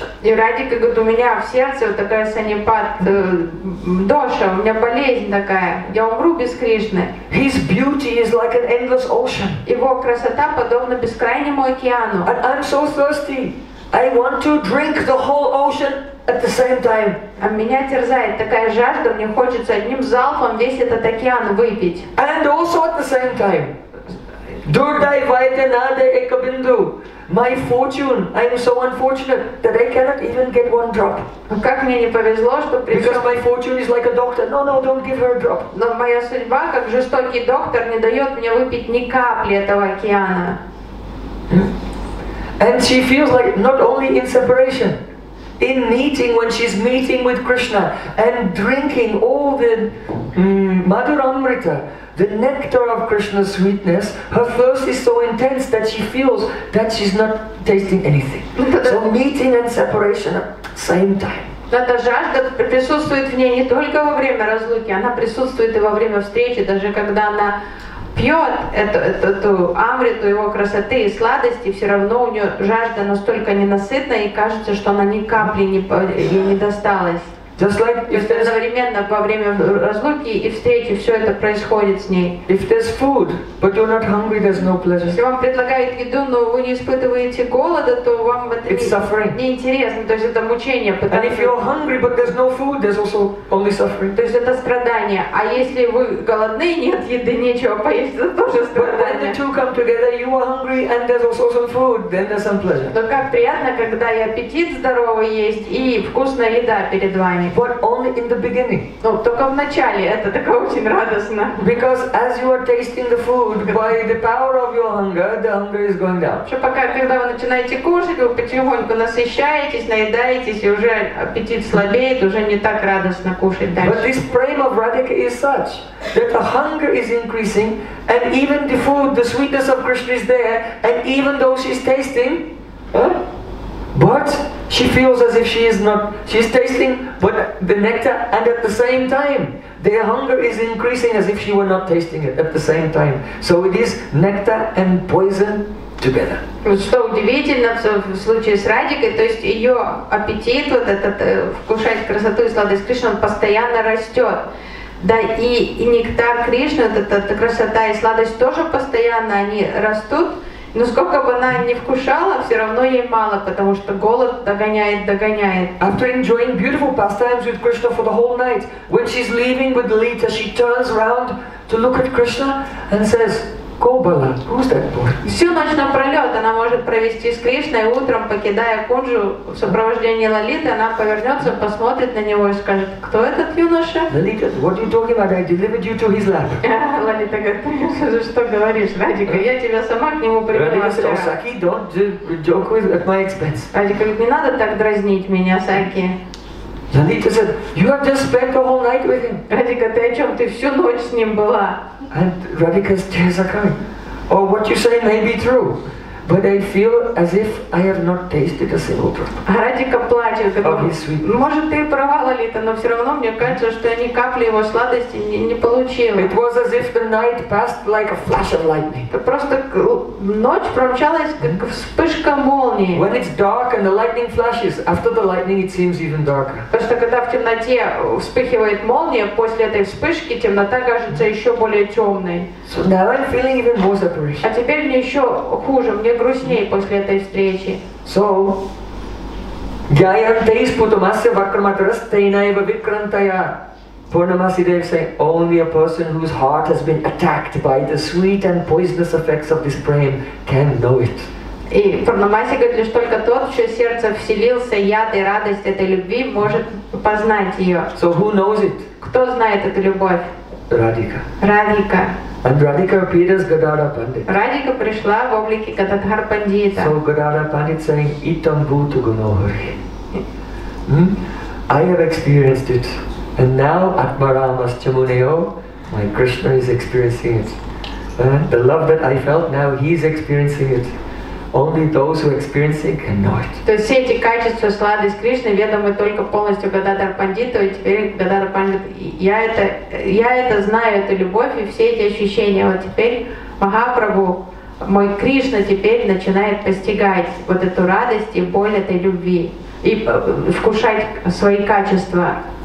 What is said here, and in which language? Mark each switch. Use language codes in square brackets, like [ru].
[ru] И Радика говорит, у меня в сердце вот такая санипат доша, у меня болезнь такая, я умру без Кришны. [en] His beauty is like an endless ocean. [ru] Его красота подобна бескрайнему океану. [en] And I'm so thirsty. I want to drink the whole ocean at the same time. [ru] А меня терзает такая жажда, мне хочется одним залпом весь этот океан выпить. [en] And also at the same time. [sa] Durdai Vaidanade Ekabindu. [en] My fortune. I am so unfortunate that I cannot even get one drop. [ru] Как мне не повезло, что при [en] Because my fortune is like a doctor. No, no, don't give her a drop. [ru] Но моя судьба, как жестокий доктор, не дает мне выпить ни капли этого океана. [en] And she feels like not only in separation, in meeting when she's meeting with Krishna and drinking all the Madhuramrita. The nectar of Krishna's sweetness, her thirst is so intense that she feels that she's not tasting anything. So meeting and separation at the same time. [ru] Эта жажда присутствует в ней не только во время разлуки, она присутствует и во время встречи, даже когда она пьет эту амриту его красоты и сладости, все равно у нее жажда настолько ненасытна, и кажется, что она ни капли не досталась. [en] Just like if [ru] одновременно во время разлуки и встречи все это происходит с ней. [en] If there's food, but you're not hungry, there's no pleasure. [ru] Если вам предлагают еду, но вы не испытываете голода, то вам это не интересно, то есть это мучение. [en] And if you're hungry, but there's no food, there's also only suffering. [ru] То есть это страдание. А если вы голодны, нет еды, нечего поесть, это тоже страдание. [en] But when the two come together, you are hungry and there's also some food, then there's some pleasure. [ru] Но как приятно, когда и аппетит здоровый есть и вкусная еда перед вами. [en] But only in the beginning. [ru] Но только в начале это так очень радостно. [en] Because as you are tasting the food, by the power of your hunger, the hunger is going down. [ru] Что пока когда вы начинаете кушать, вы потихоньку насыщаетесь, наедаетесь, и уже аппетит слабеет, уже не так радостно кушать дальше. [en] But this prema of Radhika is such that the hunger is increasing, and even the food, the sweetness of Krishna is there, and even though she's tasting, but she feels as if she is not. She's tasting, but the nectar, and at the same time, their hunger is increasing as if she were not tasting it at the same time. So it is nectar and poison together. [ru] Что удивительно в случае с Радикой, то есть ее аппетит вот этот вкушать красоту и сладость Кришны постоянно растет. Да и нектар Кришны, эта красота и сладость тоже постоянно они растут. Но сколько бы она ни вкушала, все равно ей мало, потому что голод догоняет. [en] After enjoying beautiful pastimes with Krishna for the whole night, when she's leaving with Lita, she turns around to look at Krishna and says, Gobala, who's that boy? [ru] Всю ночь напролет она может провести с Кришной, и утром, покидая Кунджу в сопровождении Лолиты, она повернется, посмотрит на него и скажет, кто этот юноша? [en] Lolita, what are you talking about? I delivered you to his lap. [ru] Лолита говорит, ты что говоришь, Радика? Я тебя сама к нему привела. [en] Саки, don't joke with at my expense. [ru] Радика говорит, не надо так дразнить меня, Саки. [en] Lolita said, you have just spent the whole night with him. [ru] Радика, ты о чем? Ты всю ночь с ним была. [en] And Radhika's tears are coming. Or what you say may be true, but I feel as if I have not tasted a single drop. [ru] Радика плачет. Может, ты права, Лолита, но все равно мне кажется, что я ни капли его сладости не получила. [en] It was as if the night passed like a flash of lightning. [ru] Просто ночь промчалась как вспышка молнии. [en] When it's dark and the lightning flashes, after the lightning it seems even darker. [ru] Потому что когда в темноте вспыхивает молния, после этой вспышки темнота кажется еще более темной. [en] So now I'm feeling even more separation. [ru] А теперь мне еще хуже. Мне грустнее после этой встречи. [sa] So, Gayantais putamasya vakramatrasthenaiva vikrantaya. [en] Purnamasi Dev say, only a person whose heart has been attacked by the sweet and poisonous effects of this prem can know it. [ru] И Пурнамаси говорит, лишь только тот, в чье сердце вселился яд и радость этой любви, может познать ее. [en] So who knows it? [ru] Кто знает эту любовь? Радика. Радика. [en] And Radhika appeared as Gadadhara Pandit. [ru] Radhika пришла в облике Gadadhara Pandita. [en] So Gadadhara Pandit saying, [sa] "Itam bhuta gunohari." [en] I have experienced it, and now Atmaramas Chamuneo, my Krishna is experiencing it. The love that I felt, now he is experiencing it. Only those who experience it can know it. [ru] То есть все эти качества сладость Кришны ведомы только полностью Гададхара Пандиту, и теперь Гададхара Пандит, я это знаю, эту любовь и все эти ощущения. Вот теперь Махапрабху, мой Кришна теперь начинает постигать вот эту радость и боль этой любви и вкушать свои качества.